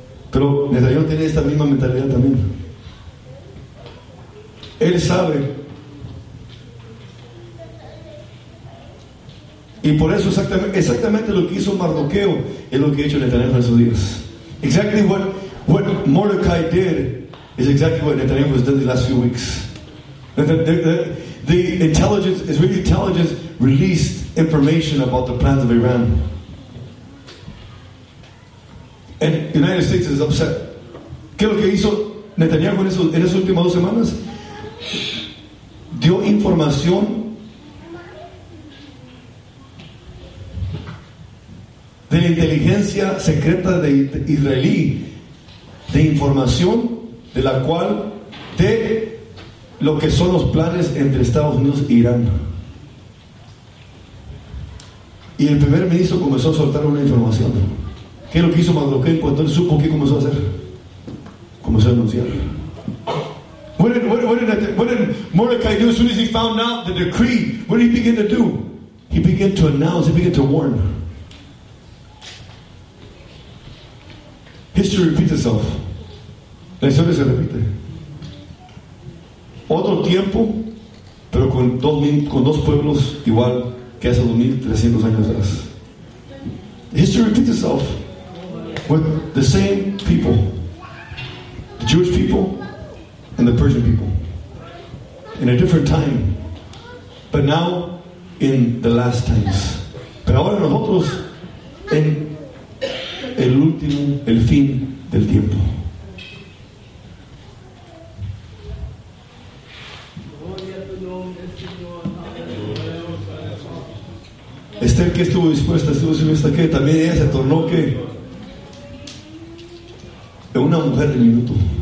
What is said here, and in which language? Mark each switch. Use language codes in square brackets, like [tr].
[es] Pero Netanyahu tiene esta misma mentalidad también. Él sabe, y por eso exactamente lo que hizo Mardoqueo es lo que ha hecho Netanyahu en sus días. [en] Exactly what Mordecai did is exactly what Netanyahu has done the last few weeks. The intelligence, Israeli intelligence, released information about the plans of Iran. And the United States is upset. [es] ¿Qué es lo que hizo Netanyahu en esas últimas dos semanas? Dio información de la inteligencia secreta de israelí, de información de la cual, de lo que son los planes entre Estados Unidos e Irán. Y el primer ministro comenzó a soltar una información. ¿Qué es lo que hizo Mardoqueo cuando él supo qué comenzó a hacer? Comenzó a anunciar. [en] What did Mordecai do as soon as he found out the decree? What did he begin to do? He began to announce, he began to warn. History repeats itself. [es] La historia se repite. Otro tiempo, pero con dos pueblos igual que hace 2300 años atrás. [en] History repeats itself with the same people, the Jewish people and the Persian people, in a different time, but now in the last times. [es] Pero ahora nosotros en el último, el fin del tiempo. Esther, que estuvo dispuesta, que también ella se tornó que una mujer de minuto.